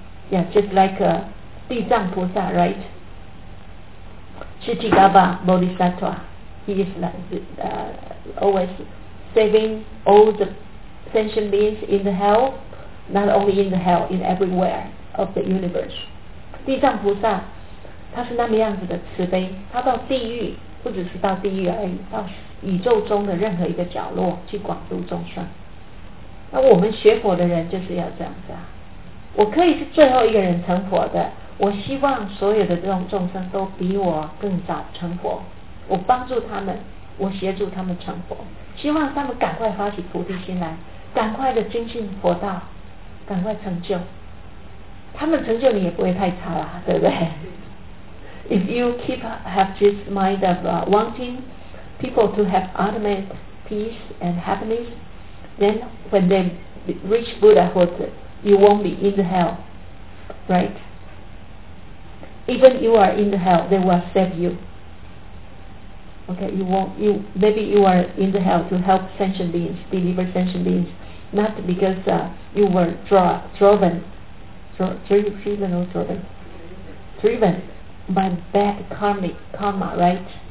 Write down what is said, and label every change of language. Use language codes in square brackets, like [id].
[en] Yeah, just like Di Zhang Bodhisattva, right? Shichigaba Bodhisattva. He is always saving all the sentient beings in the hell, not only in the hell, in everywhere of the universe. [zh] 地藏菩萨他是那么样子的慈悲，他到地狱，不只是到地狱而已，到宇宙中的任何一个角落去广度众生。那我们学佛的人就是要这样子啊，我可以是最后一个人成佛的，我希望所有的众生都比我更早成佛，我帮助他们，我协助他们成佛，希望他们赶快发起菩提心来，赶快的精进佛道，赶快成就。他们成就你也不会太差啦，对不对？ [en] If you keep have this mind of wanting people to have ultimate peace and happiness, then when they reach Buddhahood, you won't be in the hell, right? Even if you are in the hell, they will save you. Okay, maybe you are in the hell to help sentient beings, deliver sentient beings, not because you were driven by bad karma, right?